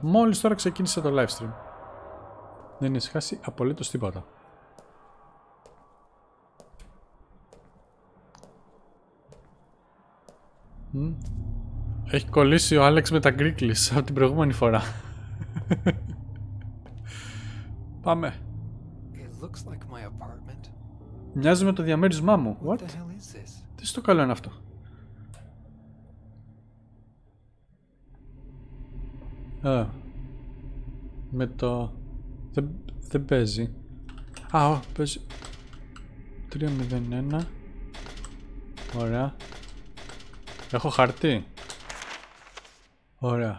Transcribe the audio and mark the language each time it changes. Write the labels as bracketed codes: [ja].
[el] Μόλις τώρα ξεκίνησε το live stream. Δεν έχεις χάσει απολύτως τίποτα. Έχει κολλήσει ο Άλεξ με τα γκρίκλεις από την προηγούμενη φορά. Πάμε. [en] It looks like my apartment. [el] Μοιάζει με το διαμέρισμά μου. What? Τι στο καλό είναι αυτό? Με το... Δεν παίζει. Α, παίζει. 301. Ωραία. Έχω χαρτί. Ωραία.